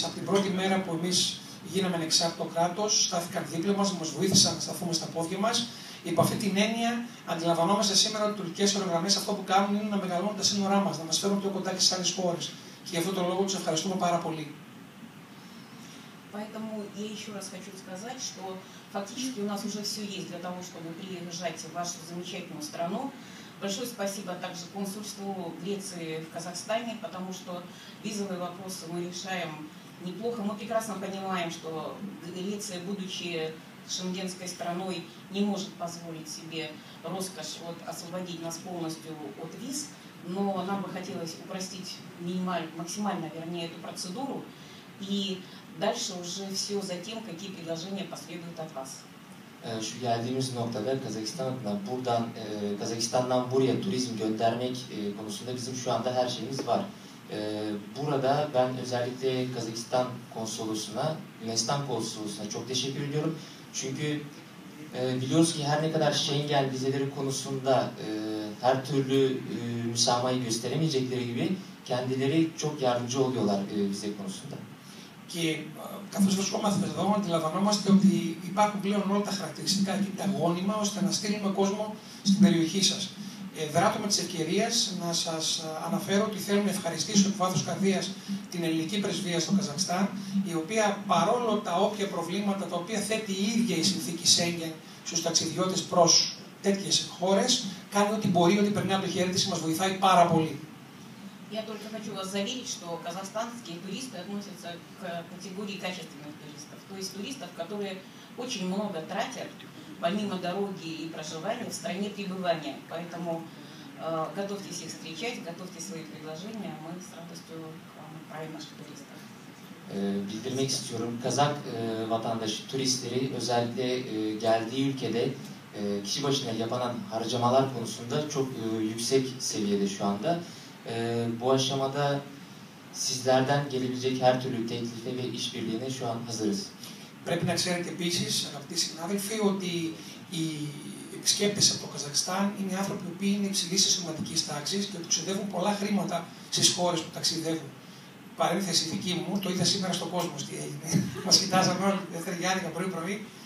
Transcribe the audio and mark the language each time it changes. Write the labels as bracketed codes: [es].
[el] Από την πρώτη μέρα που εμείς γίναμε ανεξάρτητο κράτος, στάθηκαν δίπλα μας, μας βοήθησαν να σταθούμε στα πόδια μας. Υπό αυτή την έννοια, αντιλαμβανόμαστε σήμερα ότι οι τουρκικές αγορές αυτό που κάνουν είναι να μεγαλώνουν τα σύνορά μας, να μας φέρουν πιο κοντά και στις άλλες χώρες. Και γι' αυτόν τον λόγο τους ευχαριστούμε πάρα πολύ. [ru] Поэтому я еще раз хочу сказать, что фактически у нас уже все есть для того, чтобы приезжать в вашу замечательную страну. Большое спасибо также консульству Греции в Казахстане, потому что визовые вопросы мы решаем неплохо. Мы прекрасно понимаем, что Греция, будучи шенгенской страной, не может позволить себе роскошь вот, освободить нас полностью от виз. Но нам бы хотелось упростить максимально эту процедуру. И дальше уже все за тем, какие предложения последуют от вас. [tr] Şu geldiğimiz noktada Kazakistan'dan buradan Kazakistan'dan buraya turizm göndermek konusunda bizim şu anda her şeyimiz var. Burada ben özellikle Kazakistan konsolosluğuna, Yunanistan konsolosluğuna çok teşekkür ediyorum. Çünkü biliyoruz ki her ne kadar Schengen vizeleri konusunda her türlü müsamahayı gösteremeyecekleri gibi kendileri çok yardımcı oluyorlar vize konusunda. [el] Και καθώς βρισκόμαστε εδώ, αντιλαμβανόμαστε ότι υπάρχουν πλέον όλα τα χαρακτηριστικά και τα γόνιμα ώστε να στείλουμε κόσμο στην περιοχή σας. Δράτω με τις ευκαιρίες να σας αναφέρω ότι θέλω να ευχαριστήσω εκ βάθους καρδίας την ελληνική πρεσβεία στο Καζακστάν, η οποία παρόλο τα όποια προβλήματα τα οποία θέτει η ίδια η συνθήκη Σέγγεν στους ταξιδιώτες προς τέτοιες χώρες, κάνει ό,τι μπορεί, ό,τι περνά από το χέρι της, μας βοηθάει πάρα πολύ. [ru] Я только хочу вас заверить, что казахстанские туристы относятся к категории качественных туристов, то есть туристов, которые очень много тратят, помимо дороги и проживания, в стране пребывания. Поэтому готовьтесь их встречать, готовьте свои предложения, мы с радостью к вам отправим наших туристов. [tr] Bildirmek istiyorum, Kazak vatandaşı turistleri özellikle geldiği ülkede kişi başına yapılan harcamalar konusunda çok yüksek seviyede şu anda. Bu aşamada sizlerden gelebilecek her türlü teklife ve işbirliğine şu an hazırız. [el] Πρέπει να ξέρετε επίσης, αγαπητοί συνάδελφοι, ότι οι επισκέπτες από το Καζακστάν είναι άνθρωποι που είναι υψηλής αισθηματικής τάξης και που ξοδεύουν πολλά χρήματα στις χώρες που ταξιδεύουν. Παρένθεση δική μου, το είδα σήμερα στον κόσμο τι έγινε. Μας κοιτάζαμε όλοι τη δεύτερη διάρκεια πρωί-πρωί.